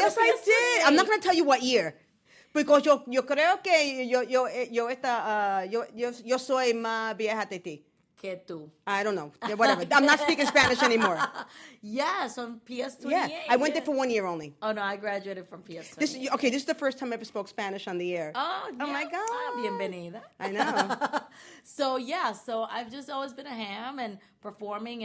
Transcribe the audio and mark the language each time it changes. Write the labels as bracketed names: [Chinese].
[English] to PS 28. Yes, I did. I'm not going to tell you what year. [Spanish] Porque yo creo que yo esta yo soy más vieja de ti. Que tú. [English] I don't know. Yeah, whatever. I'm not speaking Spanish anymore. Yes, on PS28. Yeah, I went there for 1 year only. Oh, no, I graduated from PS28. This is the first time I ever spoke Spanish on the air. Oh, yeah. Oh, my God. [Spanish] Ah, bienvenida. [English] I know. So I've just always been a ham and performing.